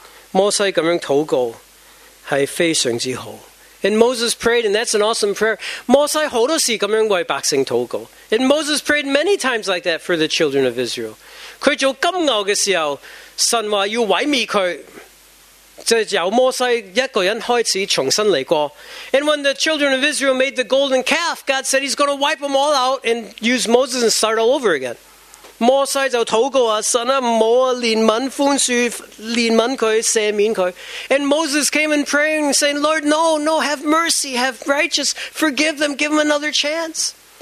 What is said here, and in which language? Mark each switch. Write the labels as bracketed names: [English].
[Cantonese] 摩西咁样祷告系非常之好。 [English] And Moses prayed, and that's an awesome prayer. [Cantonese] 摩西好多时咁样为百姓祷告。 [English] And Moses prayed many times like that for the children of Israel. [Cantonese] 佢做金牛嘅时候，神话要毁灭佢。就是由摩西一个人开始重新来过。 [English] And when the children of Israel made the golden calf, God said he's going to wipe them all out and use Moses and start all over again. [Cantonese] 摩西就祷告啊，神啊，唔好怜悯宽恕怜悯佢赦免佢。 [English] And Moses came and praying saying, Lord, no, no, have mercy, have righteous, forgive them, give them another chance.